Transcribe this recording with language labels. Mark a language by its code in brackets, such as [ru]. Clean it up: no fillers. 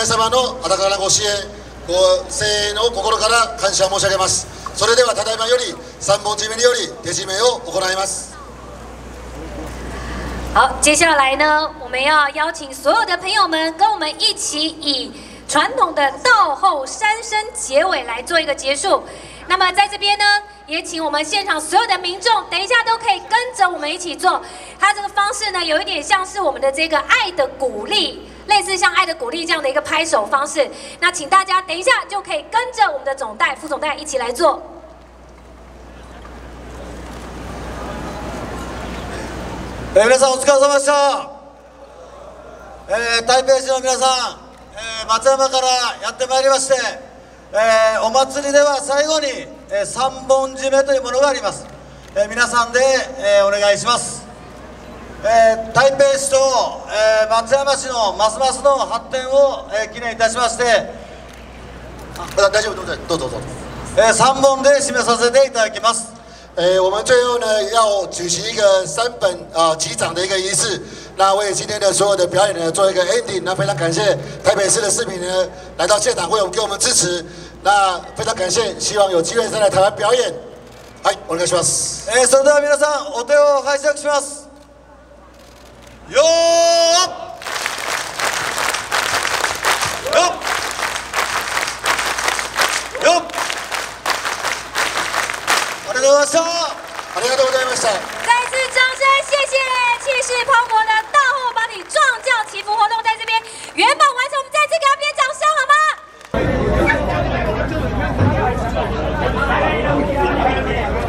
[ja] の温かなご支援ご声援を心から感謝申し上げます。それではただいまより三本締めにより手締めを行います。 [zh] 好，接下来呢我们要邀请所有的朋友们跟我们一起以传统的道后三声结尾来做一个结束。那么在这边呢也请我们现场所有的民众等一下都可以跟着我们一起做。它这个方式呢有一点像是我们的这个爱的鼓励，类似像爱的鼓励这样的一个拍手方式。那请大家等一下就可以跟着我们的总代副总代一起来做。 [ja] 皆さんお疲れ様でした。台北市の皆さん、松山からやってまいりまして、お祭りでは最後に、三本締めというものがあります。皆さんで、お願いします。台北市と、松山市のますますの発展を、記念いたしまして、あ、大丈夫、どうぞどうぞ、どうぞ、三本で締めさせていただきます。 [zh] 我们最后呢要举行一个三本击掌的一个仪式，那为今天的所有的表演呢做一个 ending。那非常感谢台北市的市民呢来到现场为我们给我们支持，那非常感谢，希望有机会再来台湾表演。 [ja] はい、お願いします。それでは皆さんお手を拝借します。よっよっよっ、ありがとうございました。ありがとうございました。 [zh] 再次掌声谢谢气势磅礴的道后帮你壮叫祈福活动在这边圆满完成，我们再次给他们掌声好吗？